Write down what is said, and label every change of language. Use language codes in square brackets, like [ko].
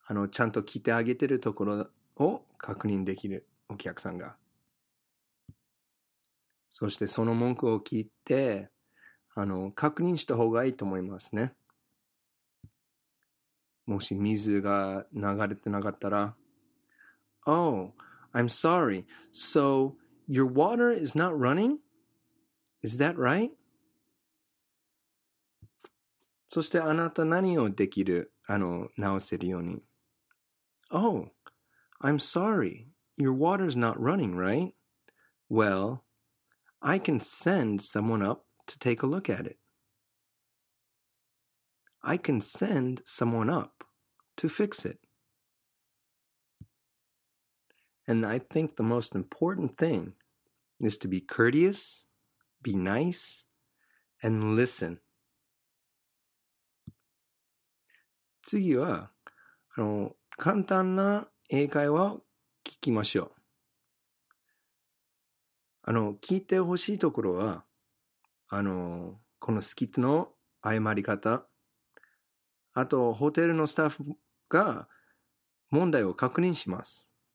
[ja] ちゃんと聞いてあげてるところを確認できるお客さんが。そしてその文句を聞いて、確認した方がいいと思いますね。もし水が流れてなかったら、 [en] Oh, I'm sorry. So, your water is not running? Is that right? [ja] そしてあなた何をできる、直せるように。 [en] Oh, I'm sorry. Your water's not running, right? Well, I can send someone up to take a look at it. I can send someone up to fix it. And I think the most important thing is to be courteous, be nice, and listen. [ja] 次は、簡単な英会話を聞きましょう。聞いてほしいところは、このスキットの謝り方、あとホテルのスタッフが問題を確認します。